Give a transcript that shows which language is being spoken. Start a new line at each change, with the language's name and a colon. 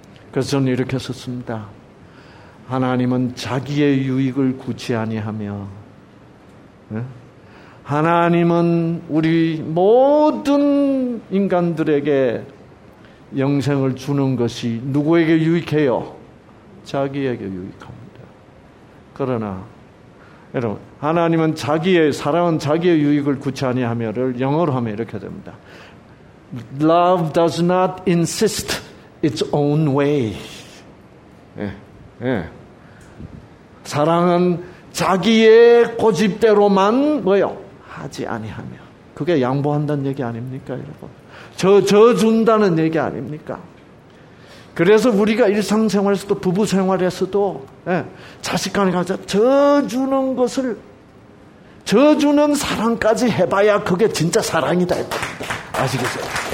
Korean: 그래서 저는 이렇게 썼습니다. 하나님은 자기의 유익을 구치 아니하며 하나님은 우리 모든 인간들에게 영생을 주는 것이 누구에게 유익해요? 자기에게 유익합니다. 그러나 여러분 하나님은 자기의 사랑은 자기의 유익을 구치 아니하며를 영어로 하면 이렇게 됩니다.
English: Love does not insist its own way.
Korean: 예, 예. 사랑은 자기의 고집대로만 뭐요? 하지 아니하며. 그게 양보한다는 얘기 아닙니까, 여러분? 저 준다는 얘기 아닙니까? 그래서 우리가 일상생활에서도 부부생활에서도 예, 자식간에 가서 저 주는 것을 저 주는 사랑까지 해봐야 그게 진짜 사랑이다. 아시겠어요?